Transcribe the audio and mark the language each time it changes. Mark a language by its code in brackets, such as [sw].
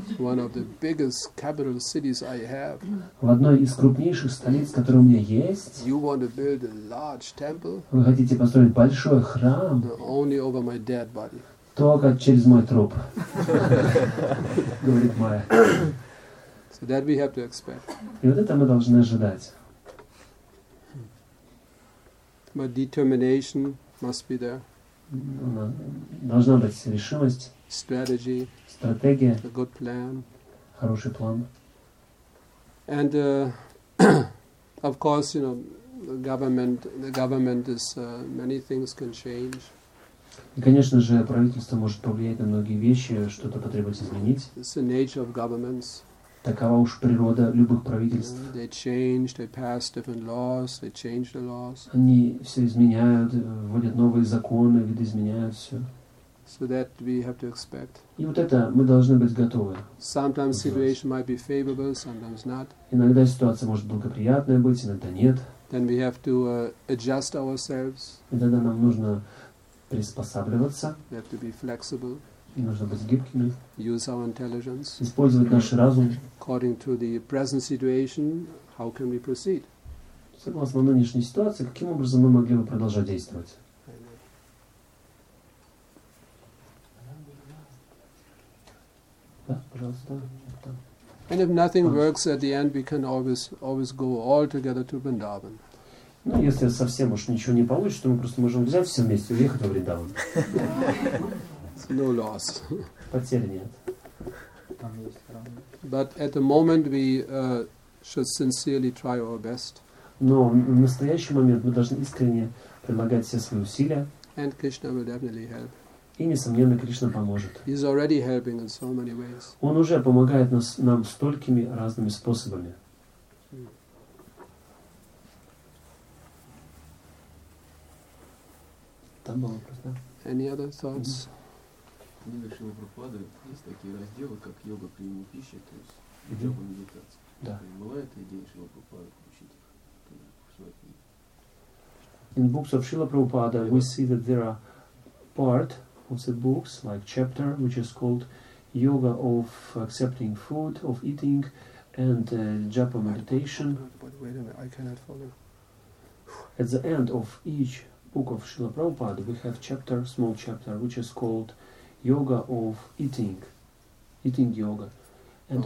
[en] One of the biggest capital cities I have. [ru] В одной из крупнейших столиц, которые у меня есть. [en] You want to build a large temple? [ru] Вы хотите построить большой храм? [en] Only over my dead body. [ru] Только через мой труп. Говорит Майя. [en] That we have to expect. [ru] И вот это мы должны ожидать. [en] But determination must be there. [ru] Должна быть решимость. [en] Strategy. [ru] Стратегия. [en] A good plan. [ru] Хороший план. [en] And of course, the government is many things can change. [ru] И, конечно же, правительство может повлиять на многие вещи, что-то потребуется изменить. [en] It's the nature of governments. [ru] Такова уж природа любых правительств. [en] They change, they pass different laws, they change the laws. [ru] Они все изменяют, вводят новые законы, видоизменяют все. [en] So that we have to expect. [ru] И вот это мы должны быть готовы. [en] Sometimes situation might be favorable, sometimes not. [ru] Иногда ситуация может благоприятная быть, иногда нет. [en] Then we have to adjust ourselves. [ru] И тогда нам нужно приспосабливаться. [en] We have to be flexible. [ru] Нужно быть гибкими. [en] Use our intelligence. [ru] Использовать наш разум. [en] According to the present situation, how can we proceed? [ru] Согласно нынешней ситуации, каким образом мы могли бы продолжать действовать? Да, пожалуйста. [en] And if nothing works at the end, we can always go all together to Vrindavan. [ru] Ну, если совсем уж ничего не получится, мы просто можем взять все вместе и уехать в Вриндаван. [en] No loss. [ru] Потерь нет. [en] But at the moment we should sincerely try our best. [ru] Но в настоящий момент мы должны искренне прилагать все свои усилия. [en] And Krishna will definitely help. [ru] И несомненно Кришна поможет. [en] He's already helping in so many ways. [ru] Он уже помогает нам столькими разными способами. Там был вопрос, да? [en] Any other thoughts? [ru] книга Шрила Прабхупады, есть такие разделы, как йога, прием пищи, то есть йога, медитация. Да. Была эта идея Шрила Прабхупады включить их в свою книгу? [en] In books of Srila Prabhupada, we see that there are part of the books, like chapter, which is called Yoga of Accepting Food, of Eating, and Japa Meditation. But wait a minute, I cannot follow. At the end of each book of Srila Prabhupada, we have chapter, small chapter, which is called Yoga of Eating, Eating Yoga, and